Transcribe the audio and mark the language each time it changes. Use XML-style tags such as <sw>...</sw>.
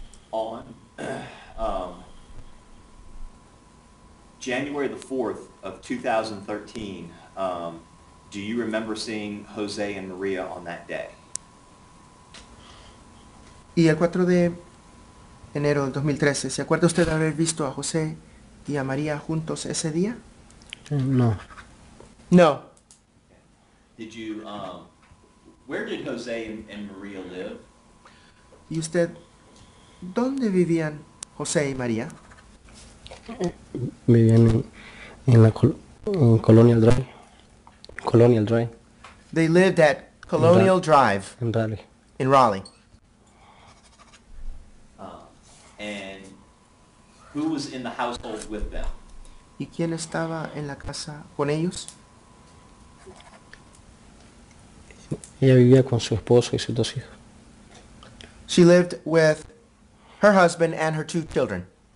<en>On January the 4th of 2013, do you remember seeing Jose and Maria on that day?</en> <es>Y el 4 de enero del 2013, ¿se acuerda usted de haber visto a José y a María juntos ese día? No.</es> <en>No. Did you, where did Jose and Maria live?</en> <es>¿Y usted, dónde vivían José y María? Vivían en Colonial Drive. Colonial Drive.</es> <en>They lived at Colonial Drive. In Raleigh. In Raleigh. And who was in the household with them?</en> <es>¿Y quién estaba en la casa con ellos? Ella vivía con su esposo y sus dos hijos.</es> <en>She lived with her husband and her two children.</en>